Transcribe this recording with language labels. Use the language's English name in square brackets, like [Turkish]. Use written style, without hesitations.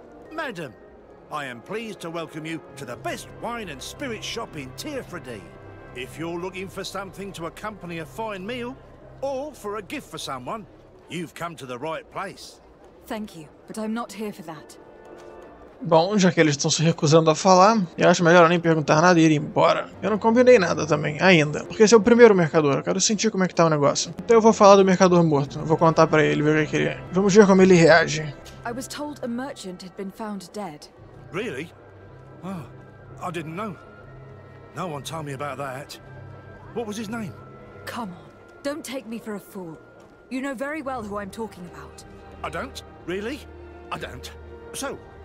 [English] Madam, I am pleased to welcome you to the best wine and spirit shop in Tier for D. If you're looking for something to accompany a fine meal, or for a gift for someone, you've come to the right place. Thank you, but I'm not here for that. [Portuguese] Bom, já que eles estão se recusando a falar, eu acho melhor eu nem perguntar nada e ir embora. Eu não combinei nada também, ainda. Porque esse é o primeiro mercador, eu quero sentir como é que tá o negócio. Então eu vou falar do mercador morto, eu vou contar pra ele, ver o que ele é. Vamos ver como ele reage. Eu fui [English] told [Portuguese] que um [English] merchant had been found dead. Really? Oh, I didn't know. No one told me about that. What was his name? Come on, don't take me for a fool. You know very well who I'm talking about. I don't? Really? I don't. So.